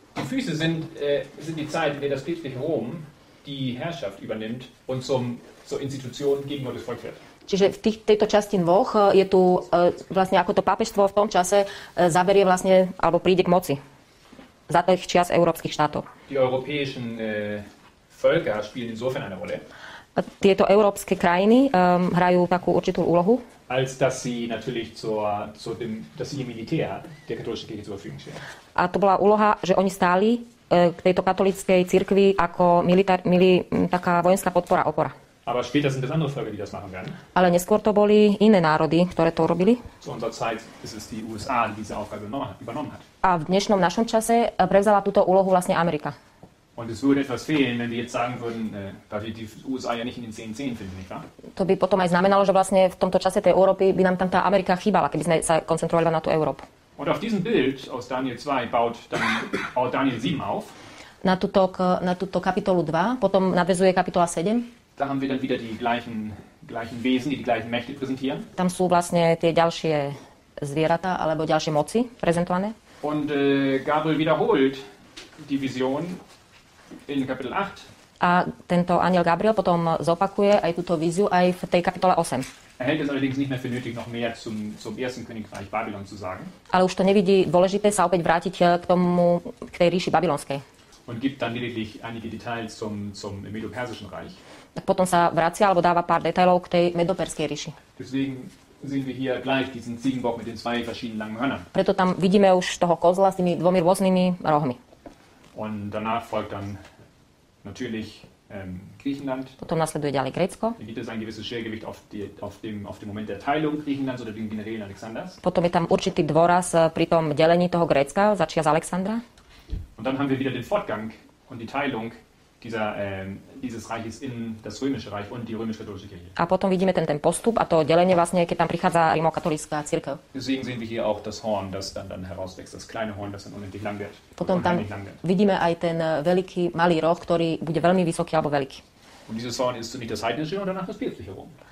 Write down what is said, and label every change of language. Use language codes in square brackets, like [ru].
[de] Die Füße sind, sind die Zeit, in der das päpstliche Rom die Herrschaft übernimmt und zur Institution gegen Gottes Volk wird. [sk] Čiže v tejto časti nôh je tu vlastne ako to pápežstvo v tom čase zaberie vlastne, alebo príde k moci. Za tých čias európskych štátov. [de] Die europäischen Völker spielen insofern eine Rolle. [sk] Tieto európske krajiny hrajú takú určitú úlohu. [de] Als dass sie natürlich dass sie ihr Militär der katholischen Kirche zur Verfügung stehen. [sk] A to bola úloha, že oni stáli k tejto katolíckej cirkvi ako taká vojenská podpora, opora. [de] Aber später sind es andere Völker, die das machen werden. [sk] Ale neskôr to boli iné národy, ktoré to robili. [de] Zu unserer Zeit ist es die USA, die diese Aufgabe übernommen hat. [sk] A v dnešnom našom čase prevzala túto úlohu vlastne Amerika. [de] Und es würde etwas fehlen, wenn wir jetzt sagen würden, dass wir die USA ja nicht in den 10-10 finden, nicht wahr? [sk] To by potom aj znamenalo, že vlastne v tomto čase tej Európy by nám tam tá Amerika chýbala, keby sme sa koncentrovali na tú Európu. [de] Und auf diesem Bild aus Daniel 2 baut dann auch Daniel 7 auf. [sk] Na túto kapitolu 2, potom nadvezuje kapitola 7. [de] Da haben wir dann wieder die gleichen Wesen, die gleichen Mächte präsentieren. [sk] Tam sú vlastne tie ďalšie zvieratá alebo ďalšie moci prezentované. [de] Und Gabriel wiederholt die Vision in Kapitel 8. [sk] A tento anjel Gabriel potom zopakuje aj túto víziu aj v tej kapitole 8. [de] Er hält es allerdings nicht mehr für nötig, noch mehr zum ersten Königreich Babylon zu sagen. [sk] Ale už to nevidí dôležité sa opäť vrátiť k tej ríši babylonskej. [de] Und gibt dann lediglich einige Details zum Medo-Persischen Reich. [sk] Tak potom sa vracia alebo dáva pár detailov k tej medoperskej ríši. [de] Deswegen sehen wir hier gleich diesen Ziegenbock mit den zwei verschiedenen langen Hörnern. [sk] Preto tam vidíme už toho kozla s tými dvomi rôznymi rohmi. [de] Und danach folgt dann natürlich Griechenland. [sk] Potom nasleduje ďalej Grécko. [de] Gibt es ein gewisses Schwergewicht auf dem Moment der Teilung Griechenlands oder den Generälen Alexanders. [sk] Potom je tam určitý dôraz pri tom delení toho Grécka, začia z Alexandra. [de] Und dann haben wir wieder den Fortgang und die Teilung dieses Reiches in das römische Reich und die römisch-katholische Kirche. [sk] A potom vidíme ten postup a to delenie vlastne, keď tam prichádza rímokatolická cirkev. [de] Deswegen sehen wir hier auch das Horn, das dann herauswächst, das kleine Horn, das dann unendlich lang wird. [sk] Potom tam vidíme aj ten veľký malý roh, ktorý bude veľmi vysoký alebo veľký. [de] Und dieses Horn ist zunächst das heidnische und danach das pietistische Rom.